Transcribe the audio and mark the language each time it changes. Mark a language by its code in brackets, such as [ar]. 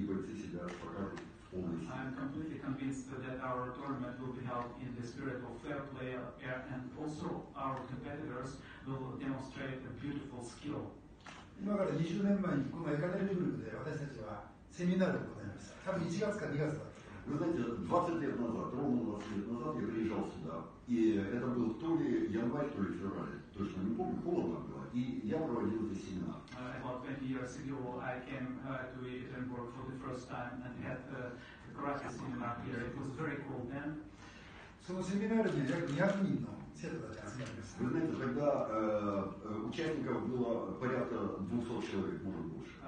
[ja] 後世まで語り継げるような素晴らしい試合が展開されることを心から期待しております。 [en] I'm completely convinced that our tournament will be held in the spirit of fair play and also our competitors will demonstrate a beautiful skill. [ja] 今から20年前にこのエカテリンブルクで私たちはセミナールを行いました。多分1月か2月だった。 [ru] Вы знаете, 20 лет назад, ровно 20 лет назад я приезжал сюда, и это был то ли январь, то ли февраль, точно не помню, холодно было, и я проводил здесь семинар. [en] About 20 years ago I came to Екатеринбург for the first time and had a karate seminar here. It was very cold then. [ja] その [ru] семинаре [ja] 200人の [ru] Вы знаете, тогда участников было порядка 200 человек, может больше.